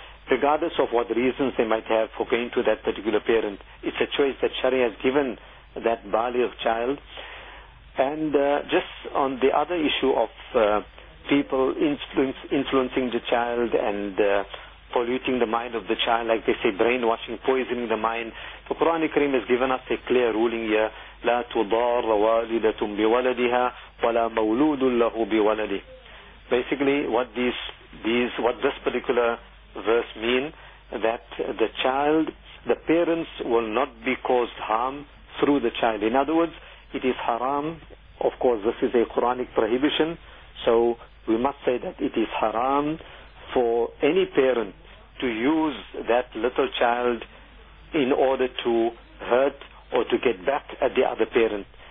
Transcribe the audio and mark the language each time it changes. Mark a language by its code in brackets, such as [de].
[en] Regardless of what reasons they might have for going to that particular parent, it's a choice that Sharia has given that baligh child. And just on the other issue of people influencing the child and polluting the mind of the child, like they say, brainwashing, poisoning the mind, the Quran Kareem has given us a clear ruling here. [ar] لا تضار والدة بولدها ولا مولود له بولده. [en] Basically, what this particular verse mean, that the child, the parents will not be caused harm through the child. In other words, it is haram. Of course, this is a Quranic prohibition, so we must say that it is haram for any parent to use that little child in order to hurt or to get back at the other parent.